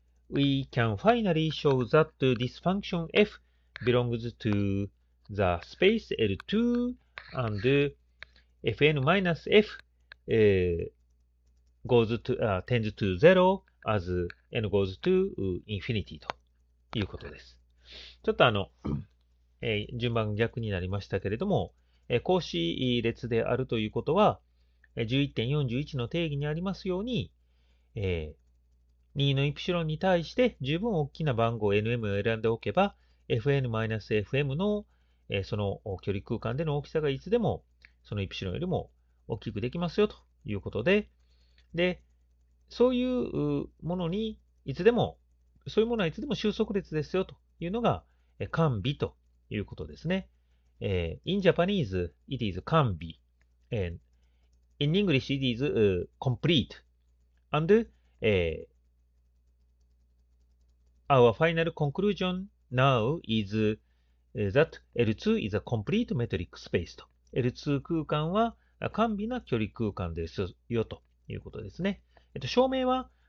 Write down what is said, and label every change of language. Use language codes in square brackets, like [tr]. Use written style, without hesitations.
[en] We can finally show that this function f belongs to the space L2 and fn minus ftends to zero as n goes to infinity [ja] ということです。ちょっと順番逆になりましたけれども、格子列であるということは、11.41 の定義にありますように、2のイプシロンに対して十分大きな番号 nm を選んでおけば、fn-fm の、その距離空間での大きさがいつでも、そのイプシロンよりも大きくできますよと。いうことで、で、そういうものにいつでも、そういうものはいつでも収束列ですよというのが、完備ということですね。 [en] In Japanese, it is 完備。 In English, it is complete. And our final conclusion now is that L2 is a complete metric space. [ja] と L2 空間は完備な距離空間ですよということですね。証明は